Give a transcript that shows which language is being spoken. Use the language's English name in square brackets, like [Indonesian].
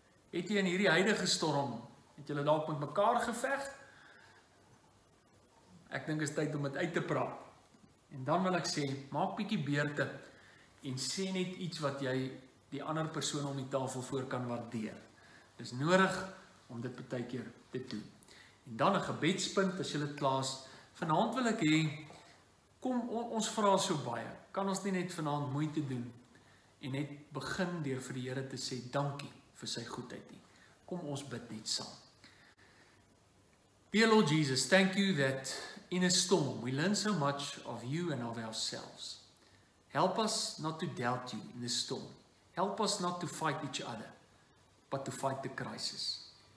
[Afrikaans] Het jy in hierdie huidige storm, het julle dalk met mekaar geveg? Ek dink is tyd om dit uit te praat. En dan wil ek sê, maak bietjie beurte en sê net iets wat jy die ander persoon om die tafel voor kan waardeer. Is nodig om dit baie keer te doen. En dan 'n gebedspunt as jy dit klaar. Vanaand wil ek hê kom ons vra so baie. Kan ons nie net vanaand moeite doen en net begin deur vir die Here te sê dankie vir sy goedheid nie. Kom ons bid net saam. [English] Dear Lord Jesus, thank you that in a storm we learn so much of you and of ourselves. Help us not to doubt you in the storm. Help us not to fight each other, but to fight the crisis.